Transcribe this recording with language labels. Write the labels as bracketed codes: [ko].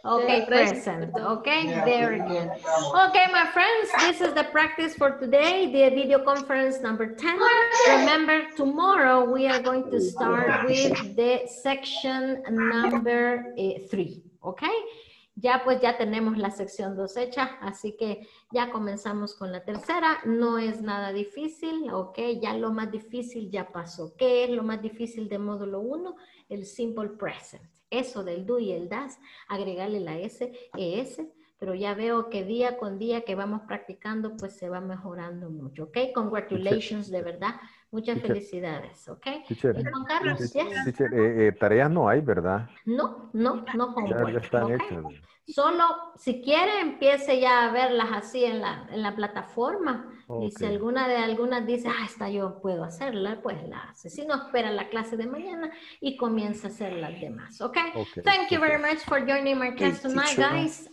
[en] Okay, present. Okay, very good. Okay, my friends, this is the practice for today, the video conference number 10. Remember, tomorrow we are going to start with the section number 3, okay? [es] Ya pues ya tenemos la sección 2 hecha, así que ya comenzamos con la tercera. No es nada difícil, okay? Ya lo más difícil ya pasó. ¿Qué es lo más difícil de módulo 1? El simple present. Eso del do y el das, agregarle la S, ES, pero ya veo que día con día que vamos practicando, pues se va mejorando mucho, ¿ok? [en] Congratulations, [es] de verdad. Muchas felicidades, ¿ok? [en] Teacher, [es] ¿y Juan Carlos? [en] Teacher, yes. [es] Tareas no hay, ¿verdad? No, ya están hechas. Solo, si quiere, empiece ya a verlas así en la plataforma. Okay. Y si alguna de algunas dice, ah, esta yo puedo hacerla, pues la hace. Si no, espera la clase de mañana y comienza a hacer las demás, ¿okay? [en] Thank you very much for joining my class tonight, guys.